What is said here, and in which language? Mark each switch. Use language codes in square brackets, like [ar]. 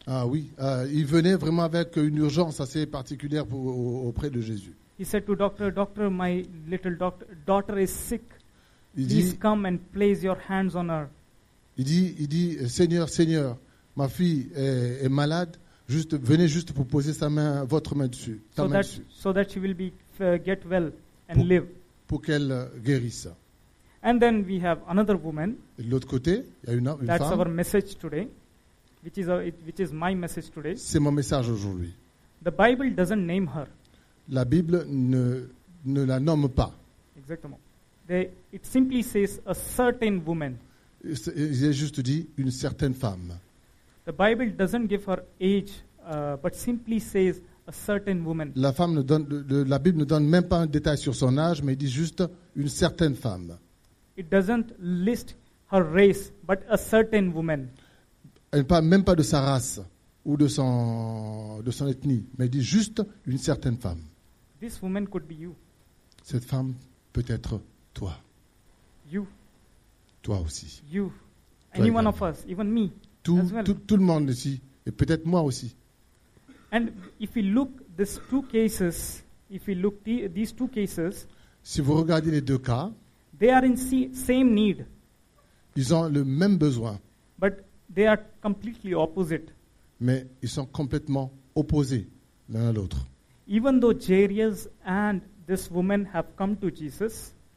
[fr] Ah oui, il venait vraiment avec une urgence assez particulière auprès de Jésus. [en] He said to doctor, my little daughter is sick. Please come and place your hands on her. [fr] Il dit, Seigneur, ma fille est malade. Juste, venez juste pour poser votre main dessus, [en] so that she will be get well and pour, live. [fr] Pour qu'elle guérisse. [en] And then we have another woman. [fr] Et de l'autre côté, il y a une [en] that's [fr] femme. [en] Our message today, which is my message today. [fr] C'est mon message aujourd'hui. [en] The Bible doesn't name her. [fr] La Bible ne la nomme pas. Exactement. [en] It simply says a certain woman. [fr] Il a juste dit une certaine femme. [en] The Bible doesn't give her age, but simply says a certain woman. [fr] La femme ne donne la Bible ne donne même pas un détail sur son âge, mais il dit juste une certaine femme. [en] It doesn't list her race, but a certain woman. [fr] Elle parle même pas de sa race ou de son ethnie, mais dit juste une certaine femme. [en] This woman could be you. [fr] Cette femme peut être toi. [en] You. [fr] Toi aussi. [en] You. Any one of us, even me. [fr] Tout le monde ici, et peut-être moi aussi. [en] And if we look these two cases, if we look these two cases. [fr] Si vous regardez les deux cas. [en] They are in same need. [fr] Ils ont le même besoin. [en] But they are completely opposite. [fr] Mais ils sont complètement opposés l'un à l'autre. [en] Even though Jairus and this woman have come to Jesus,